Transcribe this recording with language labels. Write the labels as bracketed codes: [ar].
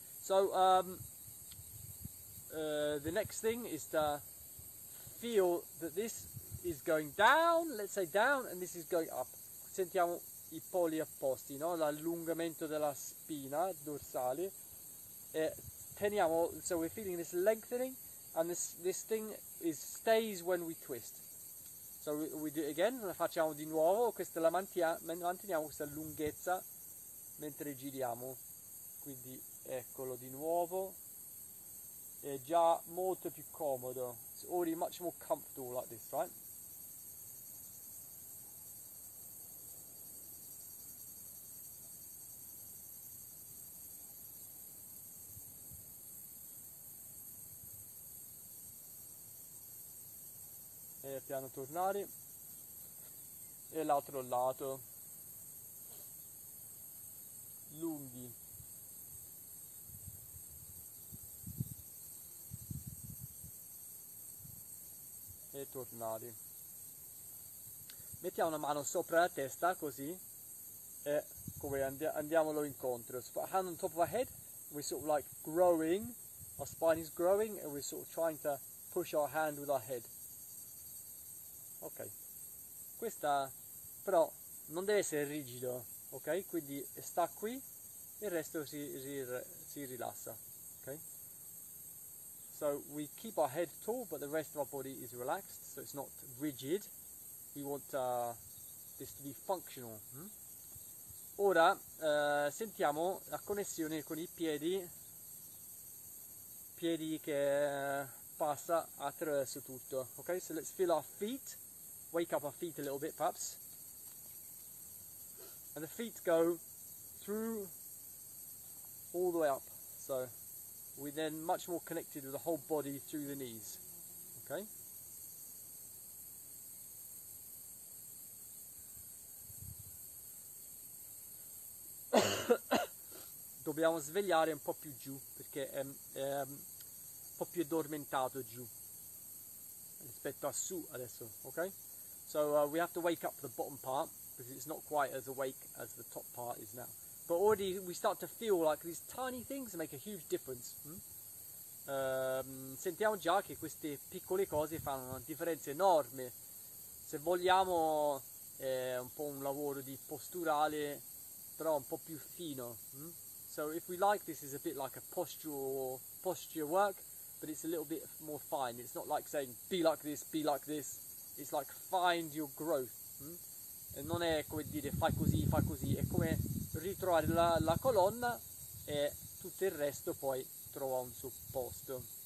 [en] So the next thing is to feel that this is going down, let's say down, and this is going up. [it] Sentiamo i poli opposti, no? L'allungamento della spina dorsale. E teniamo, [en] so we're feeling this lengthening, and this thing is stays when we twist. So we do it again, [it] la facciamo di nuovo, questa la manteniamo questa lunghezza mentre giriamo. Quindi eccolo di nuovo. È già molto più comodo. [en] It's already much more comfortable like this, right? [it] E piano tornare. E l'altro lato. Lunghi. tornare. Mettiamo una mano sopra la testa, così, e come andiamolo incontro. [en] So put a hand on top of our head, we sort of like growing, our spine is growing, and we're sort of trying to push our hand with our head. [it] Ok, questa però non deve essere rigido, ok? Quindi sta qui, il resto si rilassa, ok? [en] So we keep our head tall, but the rest of our body is relaxed, so it's not rigid. We want this to be functional. Hmm? [it] Ora sentiamo la connessione con i piedi, piedi che passa attraverso tutto. [en] Ok, so let's feel our feet, wake up our feet a little bit perhaps. And the feet go through all the way up. So we're then much more connected with the whole body through the knees. Ok? [it] Dobbiamo svegliare un po' più giù, perché è un po' più addormentato giù rispetto a su adesso, ok? [en] So we have to wake up the bottom part, because it's not quite as awake as the top part is now. But already we start to feel like these tiny things make a huge difference. [it] Sentiamo già che queste piccole cose fanno una differenza enorme. Se vogliamo è un po' un lavoro di posturale, però un po' più fino. [en] So if we like, this is a bit like a posture work, but it's a little bit more fine. It's not like saying be like this, be like this. It's like find your growth. [it] E non è come dire fai così, fai così. È come ritrovare la colonna e tutto il resto poi trova un suo posto.